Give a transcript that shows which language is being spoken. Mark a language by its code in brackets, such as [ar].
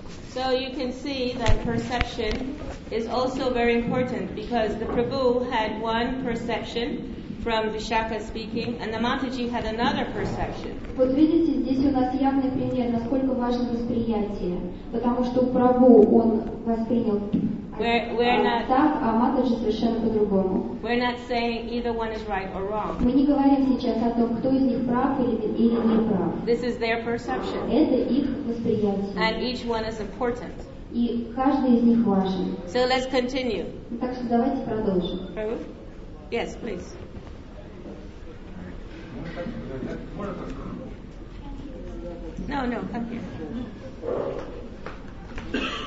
[en] So you can see that perception is also very important because the Prabhu had one perception from Vishakha speaking, and the Mataji had another perception. [ru] Вот видите, здесь у нас явный пример, насколько важно восприятие, потому что Прабху он воспринял так, а Матаджи совершенно по-другому. [en] We're not saying either one is right or wrong. [ru] Мы не говорим сейчас о том, кто из них прав или не прав. [en] This is their perception. [ru] Это их восприятие. [en] And each one is important. [ru] И каждый из них важен. [en] So let's continue. [ru] Так что давайте продолжим. [en] Yes, please. No, come here.